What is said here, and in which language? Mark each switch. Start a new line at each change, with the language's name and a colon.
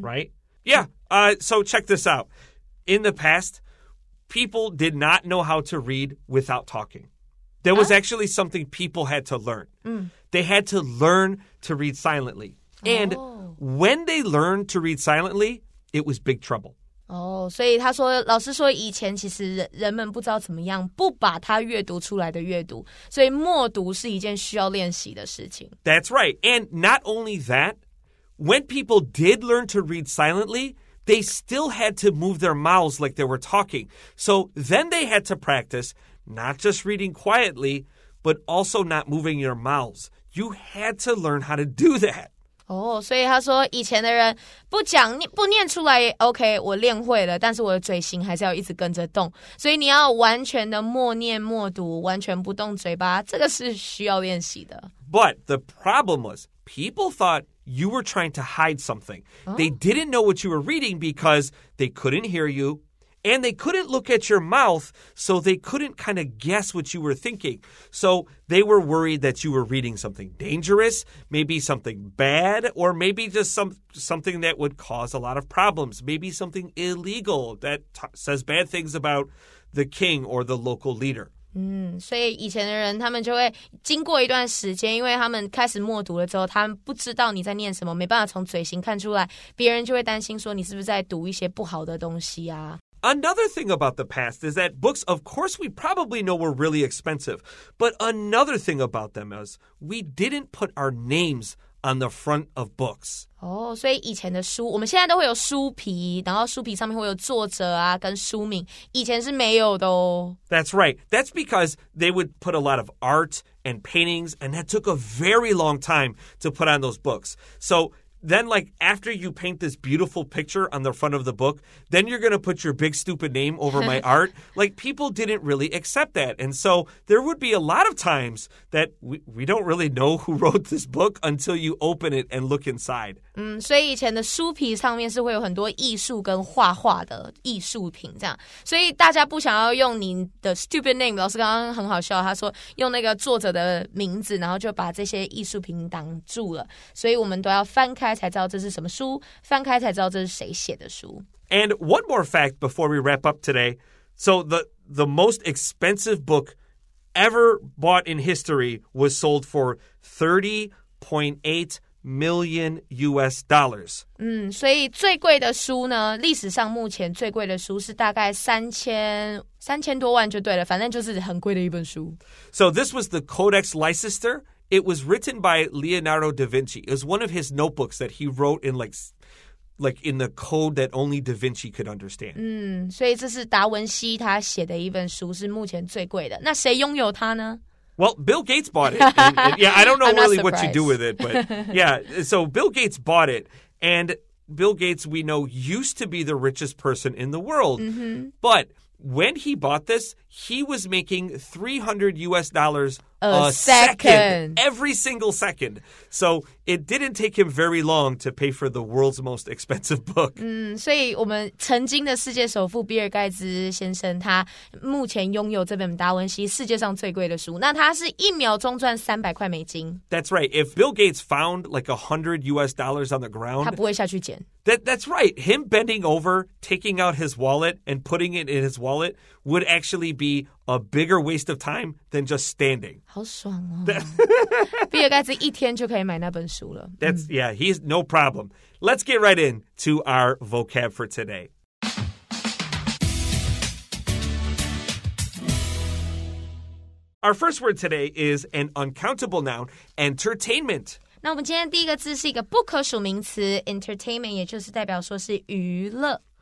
English: right? Yeah, so check this out. In the past, people did not know how to read without talking. There was actually something people had to learn. Mm. They had to learn to read silently. And when they learned to read silently, it was big trouble.
Chinese: 所以他说，老师说以前其实 人们不知道怎么样，不把他阅读出来的阅读，所以默读是一件需要练习的事情。
English: That's right. And not only that, when people did learn to read silently, they still had to move their mouths like they were talking. So then they had to practice not just reading quietly, but also not moving your mouths. You had to learn how to do that.
Chinese: 所以他说以前的人不讲不念出来 OK 我练会了但是我的嘴型还是要一直跟着动所以你要完全的默念默读完全不动嘴巴这个是需要练习的
English: But the problem was people thought you were trying to hide something They didn't know what you were reading because they couldn't hear you And they couldn't look at your mouth So they couldn't kind of guess what you were thinking So they were worried that you were reading something dangerous Maybe something bad Or maybe just something that would cause a lot of problems Maybe something illegal That says bad things about the king or the local leader
Chinese: 所以以前的人他们就会经过一段时间因为他们开始默读了之后他们不知道你在念什么没办法从嘴型看出来别人就会担心说你是不是在读一些不好的东西啊
English: Another thing about the past is that books, of course, we probably know were really expensive. But another thing about them is we didn't put our names on the front of books.
Chinese: 所以以前的书，我们现在都会有书皮，然后书皮上面会有作者啊，跟书名，以前是没有的哦。
English: That's right. That's because they would put a lot of art and paintings, and that took a very long time to put on those books. So... Then, like, after you paint this beautiful picture on the front of the book, then you're going to put your big stupid name over my art. Like, people didn't really accept that. And so there would be a lot of times that we don't really know who wrote this book until you open it and look inside.
Chinese: 所以以前的书皮上面是会有很多艺术跟画画的艺术品这样。所以大家不想要用您的
English: stupid name,
Chinese: 老师刚刚很好笑他说用那个作者的名字然后就把这些艺术品挡住了。所以我们都要翻开才知道这是什么书翻开才知道这是谁写的书。
English: And one more fact before we wrap up today. So the most expensive book ever bought in history was sold for $30.8 million US dollars.
Chinese: 所以最贵的书呢历史上目前最贵的书是大概三千多万就对了反正就是很贵的一本书。
English: So this was the Codex Leicester. It was written by Leonardo da Vinci. It was one of his notebooks that he wrote in like in the code that only da Vinci could understand.
Chinese: 所以这是达文西他写的一本书是目前最贵的。那谁拥有它呢
English: Well, Bill Gates bought it. And I don't know really what you do with it, but yeah. So Bill Gates bought it. And Bill Gates, we know, used to be the richest person in the world. Mm-hmm. But when he bought this, he was making $300 US a second, every single second. So it didn't take him very long to pay for the world's most expensive book.
Chinese: 所以我们曾经的世界首富比尔盖茨先生，他目前拥有这本达文西世界上最贵的书。那他是一秒钟赚$300。
English: That's right. If Bill Gates found like $100 US on the ground,
Chinese: 他不会下去捡。
English: That's right. Him bending over, taking out his wallet, and putting it in his wallet would actually be a bigger waste of time than just standing.
Chinese: 好爽哦！比尔盖茨一天就可以买那本书了。
English: That's, yeah, he's no problem. Let's get right in to our vocab for today. Our first word today is an uncountable noun, entertainment.
Chinese: 那我们今天第一个字是一个不可数名词 entertainment 也就是代表说是娱乐